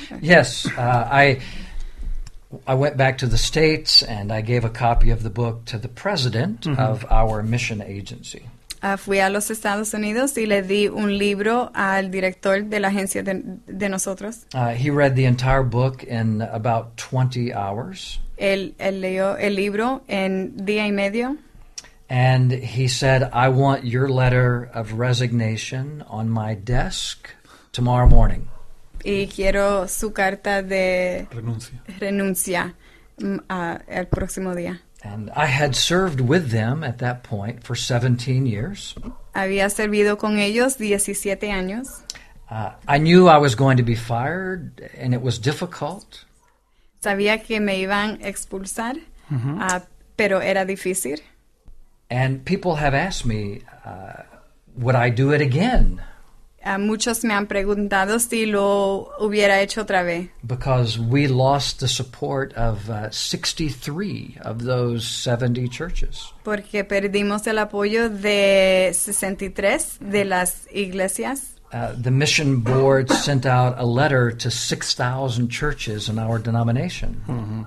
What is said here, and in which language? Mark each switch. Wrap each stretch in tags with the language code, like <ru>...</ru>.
<en>Yes, I went back to the States and I gave a copy of the book to the president of our mission agency.</en> <es>Fui a los Estados Unidos y le di un libro al director de la agencia de nosotros.</es> <en>He read the entire book in about 20 hours.</en> <es>Él leyó el libro en día y medio.</es> <en>And he said, I want your letter of resignation on my desk tomorrow morning.</en> <es>Y quiero su carta de renuncia el próximo día.</es> <en>And I had served with them at that point for 17 years.</en> <es>Había servido con ellos 17 años.</es> <en>I knew I was going to be fired, and it was difficult.</en> <es>Sabía que me iban a expulsar, pero era difícil.</es> <en>And people have asked me, would I do it again?</en> <es>Muchos me han preguntado si lo hubiera hecho otra vez.</es> <en>Because we lost the support of 63 of those 70 churches.</en> <es>Porque perdimos el apoyo de 63 de las iglesias.</es> <en>The mission board sent out a letter to 6,000 churches in our denomination.</en>